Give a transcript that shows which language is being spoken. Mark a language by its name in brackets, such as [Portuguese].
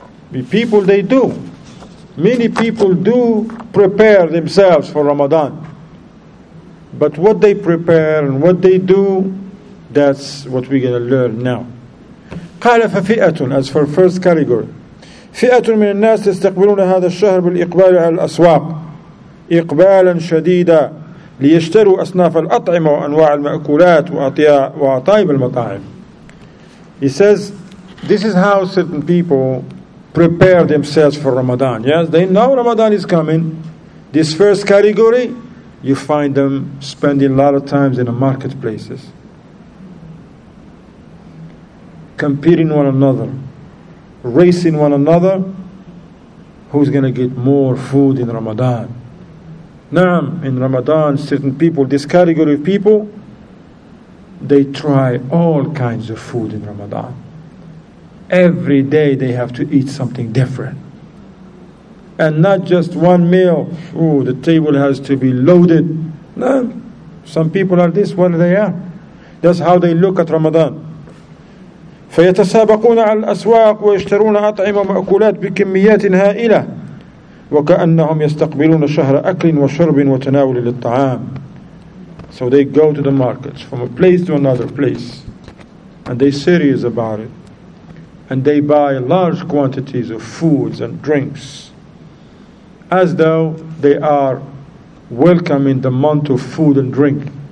[English] The people, they do. Many people do prepare themselves for Ramadan. But what they prepare and what they do, that's what we're going to learn now. [Arabic] قال ففئة, [English] as for first category. [Arabic] فئة من الناس يستقبلون هذا الشهر بالإقبال على الأسواق إقبالا شديدا ليشتروا أصناف الأطعمة وأنواع المأكولات وأطيب المطاعم. [English] He says, this is how certain people prepare themselves for Ramadan. Yes, they know Ramadan is coming. This first category, you find them spending a lot of times in the marketplaces, competing one another, racing one another, who's going to get more food in Ramadan. Now, in Ramadan, certain people, this category of people, they try all kinds of food in Ramadan. Every day they have to eat something different. And not just one meal. Ooh, the table has to be loaded. No, some people are this one they are. That's how they look at Ramadan. [Arabic] فيتسابقون على الأسواق ويشترون أطعمة ومأكولات بكميات هائلة وكأنهم يستقبلون شهر أكل وشرب وتناول للطعام. [English] So they go to the markets from a place to another place, and they serious about it, and they buy large quantities of foods and drinks as though they are welcoming the month of food and drink.